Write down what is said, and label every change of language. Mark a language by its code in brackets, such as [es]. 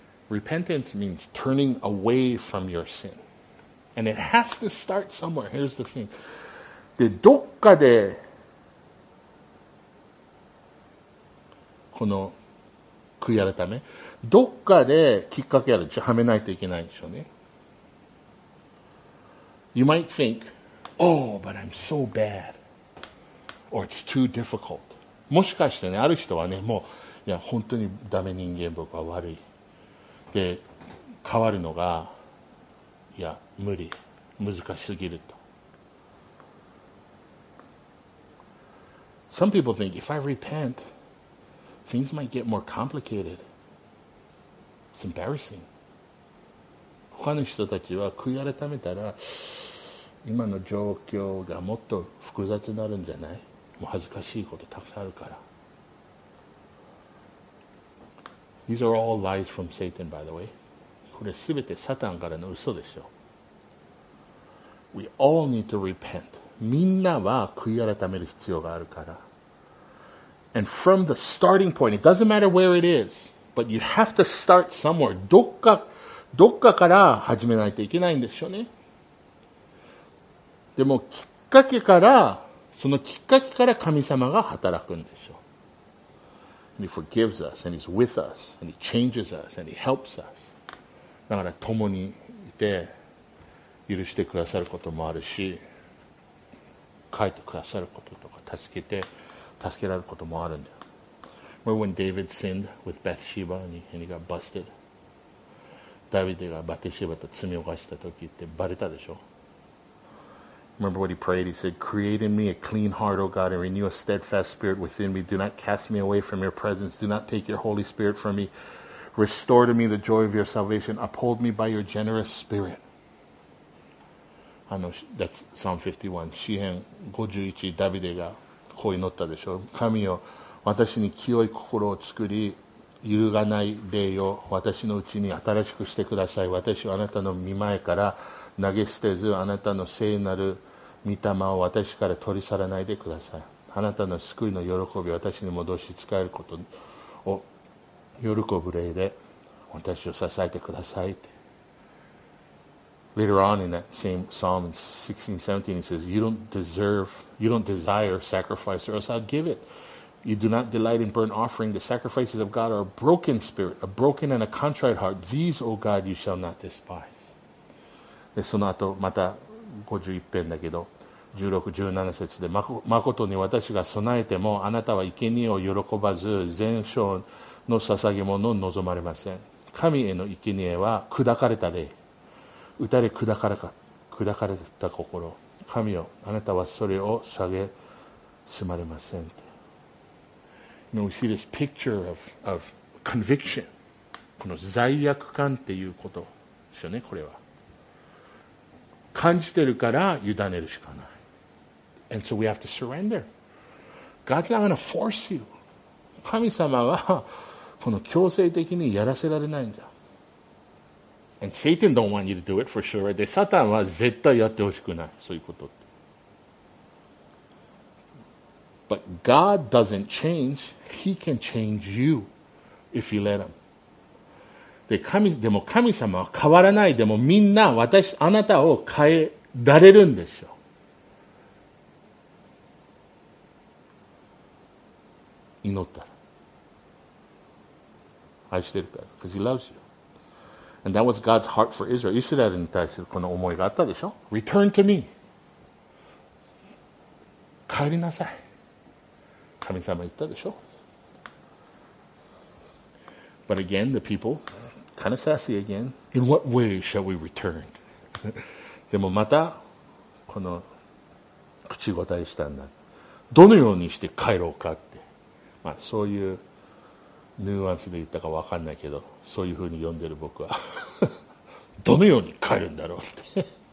[en] Repentance means turning away from your sin. And it has to start somewhere. Here's the thing. [ja] で、どっかで、この悔い改め、どっかできっかけあるでしょ。はめないといけないでしょうね。 [en] You might think, oh, but I'm so bad. Or it's too difficult. [ja] もしかしてね、ある人はね、もう、いや、本当にダメ人間、僕は悪い。で、変わるのが、いや、無理。難しすぎると。 [en] Some people think, if I repent, things might get more complicated. It's embarrassing. [ja] 他の人たちは悔い改めたら、今の状況がもっと複雑になるんじゃない？もう恥ずかしいことたくさんあるから。 [en] These are all lies from Satan, by the way. [ja] これすべてサタンからの嘘でしょ。 [en] We all need to repent. [ja] みんなは悔い改める必要があるから。 [en] And from the starting point, it doesn't matter where it is, but you have to start somewhere. [ja] どっかから始めないといけないんでしょうね。でもきっかけから、そのきっかけから神様が働くんでしょう。 [en] And he forgives us, and he's with us, and he changes us, and he helps us. [ja] だから共にいて許してくださることもあるし、帰ってくださることとか助けられることもあるんだよ。 [en] Remember when David sinned with Bathsheba and he got busted? [ja] ダビデがバテシバと罪を犯した時ってバレたでしょ。 [en] Remember what he prayed? He said, Create in me a clean heart, O God, and renew a steadfast spirit within me. Do not cast me away from your presence. Do not take your Holy Spirit from me. Restore to me the joy of your salvation. Uphold me by your generous spirit. That's Psalm 51. [ja] 詩編51、ダビデがこう祈ったでしょ。神よ、私に清い心を作り、揺るがない霊を私のうちに新しくしてください。私はあなたの御前から投げ捨てず、あなたの聖なる御霊を私から取り去らないでください。あなたの救いの喜び、私に戻し使えることを喜ぶ霊で私を支えてください。 [en] Later on in that same Psalm 16:17 he says, you don't desire sacrifice or else I'll give it. You do not delight in burnt offering. The sacrifices of God are a broken spirit, a broken and a contrite heart. These, O God, you shall not despise. [ja] でその後また51編だけど16、17節で、誠に私が備えてもあなたは生贄を喜ばず全焼の捧げ物を望まれません。神への生贄は砕かれた霊、打たれ砕かれた心、神よあなたはそれを下げすまれません。 [en] You know, we see this picture of conviction. [ja] この罪悪感っていうことでしょうね。これは感じてるから委ねるしかない。 [en] And so we have to surrender. God's not going to force you. [ja] 神様はこの強制的にやらせられないんだ。 [en] And Satan don't want you to do it for sure. [ja] で、サタンは絶対やってほしくない。そういうことって。 [en] But God doesn't change. He can change you if you let him. [ja] でも神様は変わらない。でもみんな私あなたを変えられるんでしょう。祈ったら。愛してるから。 [en] Because he loves you. And that was God's heart for Israel. [ja] イスラエルに対するこの思いがあったでしょ。 [en] Return to me. [ja] 帰りなさい。神様言ったでしょ。 [en] But again, the people, kind of sassy again. In what way shall we return? [ja] でもまた、この、口答えしたんだ。どのようにして帰ろうかって。まあ、そういうニュアンスで言ったか分かんないけど、そういうふうに読んでる僕は。どのように帰るんだろうって。